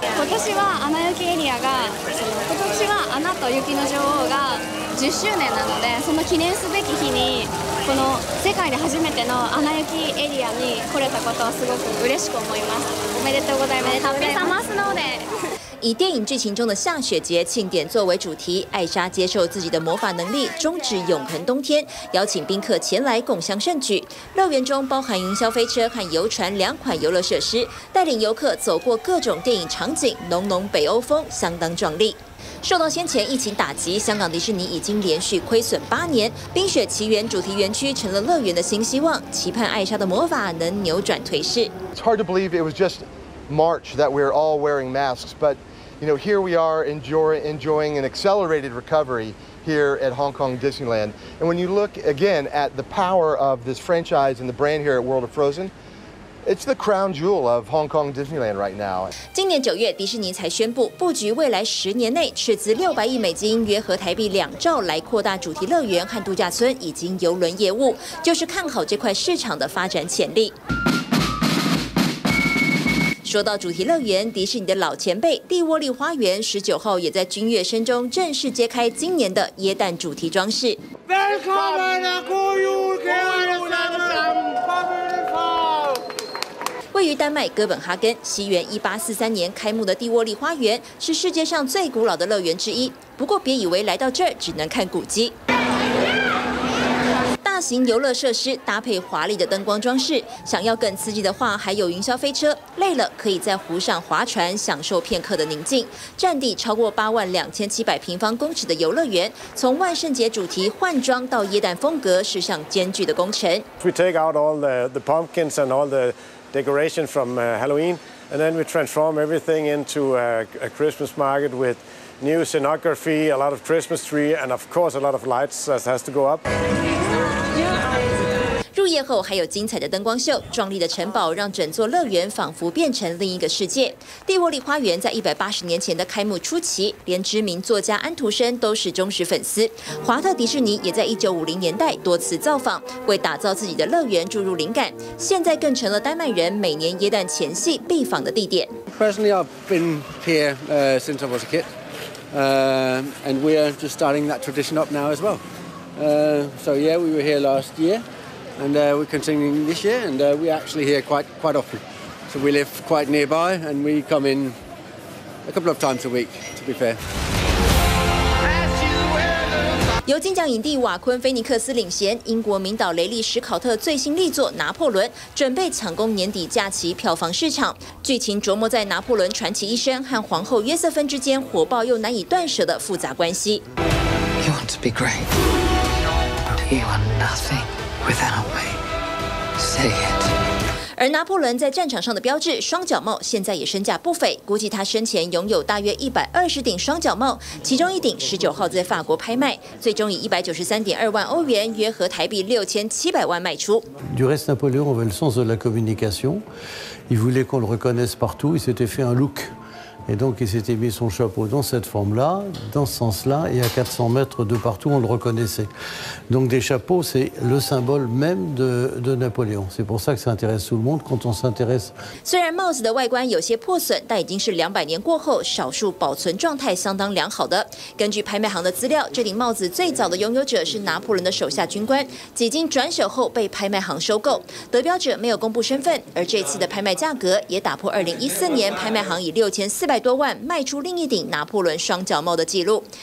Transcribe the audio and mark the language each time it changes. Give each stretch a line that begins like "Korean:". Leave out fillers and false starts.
Japanese: 今年は雪エリアが、今年は雪の女王が10周年なので、その記念すべき日にこの世界で初めてのアナ雪エリアに来れたことはすごく嬉しく思います。おめでとうございます。ハッピーサマースノーデー。
Chinese: 以电影剧情中的下雪节庆典作为主题，艾莎接受自己的魔法能力终止永恒冬天，邀请宾客前来共享盛举。乐园中包含云霄飞车和游船2款游乐设施，带领游客走过各种电影场景，浓浓北欧风，相当壮丽。受到先前疫情打击，香港迪士尼已经连续亏损8年，冰雪奇缘主题园区成了乐园的新希望，期盼艾莎的魔法能扭转颓势。
English: It's hard to believe it was just March that we're all wearing masks, but You know, here we are enjoying an accelerated recovery here at Hong Kong Disneyland. And when you look again at the power of this franchise and the brand here at World of Frozen,It's the crown jewel of Hong Kong Disneyland right now.
Chinese: 今年九月，迪士尼才宣布布局未来十年内斥资600亿美金，约合台币2兆，来扩大主题乐园和度假村以及游轮业务，就是看好这块市场的发展潜力。说到主题乐园，迪士尼的老前辈蒂沃利花园19号也在君悦深中正式揭开今年的耶诞主题装饰。
English: Welcome and go you again.
Chinese: 位于丹麦哥本哈根，西元1843年开幕的蒂沃利花园是世界上最古老的乐园之一。不过，别以为来到这儿只能看古迹。大型游乐设施搭配华丽的灯光装饰，想要更刺激的话，还有云霄飞车。累了可以在湖上划船，享受片刻的宁静。占地超过82700平方公尺的游乐园，从万圣节主题换装到耶诞风格，是项艰巨的工程。
English: We take out all the pumpkins and all the decoration from Halloween, and then we transform everything into a Christmas market with new scenography, a lot of Christmas tree, and of course a lot of lights that has to go up.
Chinese: 入夜后还有精彩的灯光秀，壮丽的城堡让整座乐园仿佛变成另一个世界。蒂沃利花园在180年前的开幕初期，连知名作家安徒生都是忠实粉丝。华特迪士尼也在1950年代多次造访，为打造自己的乐园注入灵感。现在更成了丹麦人每年耶诞前夕必访的地点。
English: Personally, I've been here since I was a kid, and we are just starting that tradition up now as well. So yeah, we were here last year. And we're continuing this year, and we're actually here quite often. So we live quite nearby, and we come in a couple of times a week, to be fair.
Chinese: 由金奖影帝瓦昆·菲尼克斯领衔，英国名导雷利·史考特最新力作《拿破仑》准备抢攻年底假期票房市场。剧情琢磨在拿破仑传奇一生和皇后约瑟芬之间火爆又难以断舍的复杂关系。
English: You want to be great, but you are nothing.
Chinese: 而拿破仑在战场上的标志双角帽，现在也身价不菲。估计他生前拥有大约120顶双角帽，其中一顶19号在法国拍卖，最终以193.2万欧元，约合台币6700万卖出。
French: Du reste, Napoléon avait le sens de la communication. Il voulait qu'on le reconnaisse partout. Il s'était fait un look, et donc il s'était mis son chapeau dans cette forme-là, dans ce sens-là, et à 400 mètres de partout, on le reconnaissait. Donc des chapeaux, c'est le symbole même de Napoléon. C'est pour ça que ça intéresse tout le monde quand on s'intéresse.
Chinese: 虽然帽子的外观有些破损，但已经是200年过后，少数保存状态相当良好的。根据拍卖行的资料，这顶帽子最早的拥有者是拿破仑的手下军官，几经转手后被拍卖行收购。得标者没有公布身份，而这次的拍卖价格也打破2014年拍卖行以6400多万卖出另一顶拿破仑双角帽的记录。